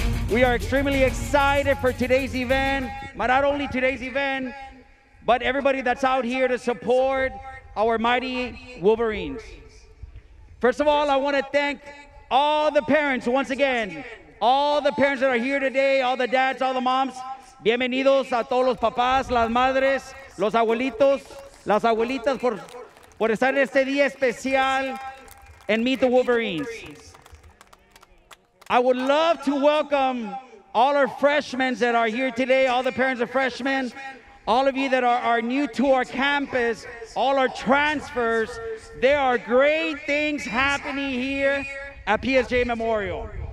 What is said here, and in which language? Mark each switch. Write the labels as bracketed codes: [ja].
[en] We are extremely excited for today's event, but not only today's event, but everybody that's out here to support our mighty Wolverines. First of all, I want to thank all the parents once again, all the parents that are here today, all the dads, all the moms. [es] Bienvenidos a todos los papás, las madres, los abuelitos, las abuelitas por estar en este día especial [en] and meet the Wolverines. I would love to welcome all our freshmen that are here today, all the parents of freshmen, all of you that are new to our campus, all our transfers. There are great things happening here at PSJ Memorial.